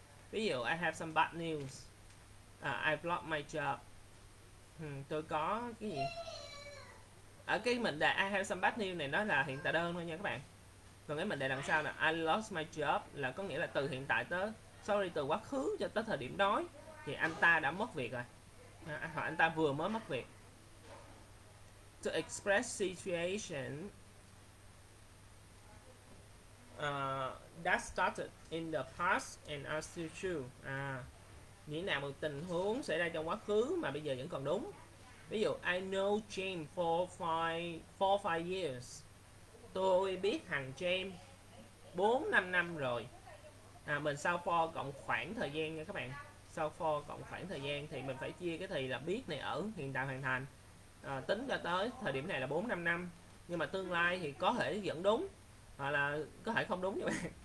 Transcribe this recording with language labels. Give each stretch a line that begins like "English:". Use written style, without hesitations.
Vietnamese: Ví dụ,
English: I have some bad news. I've lost my job.
Vietnamese: Tôi có cái gì? Ở cái mệnh đề
English: I have some bad news
Vietnamese: này nó là hiện tại đơn thôi nha các bạn. Còn cái mệnh đề đằng sau là
English: I lost my job
Vietnamese: là có nghĩa là từ hiện tại tới, sorry, từ quá khứ cho tới thời điểm đó thì anh ta đã mất việc rồi, hoặc anh ta vừa mới mất việc.
English: To express situation that started in the past and are still true.
Vietnamese: À, nghĩa là một tình huống xảy ra trong quá khứ mà bây giờ vẫn còn đúng. Ví dụ,
English: I know James for five years.
Vietnamese: Tôi biết thằng James 4-5 năm rồi. À, mình sao for cộng khoảng thời gian nha các bạn. Sao for cộng khoảng thời gian thì mình phải chia cái thì là biết này ở hiện tại hoàn thành. À, tính ra tới thời điểm này là 4-5 năm. Nhưng mà tương lai thì có thể vẫn đúng hoặc là có thể không đúng nha bạn.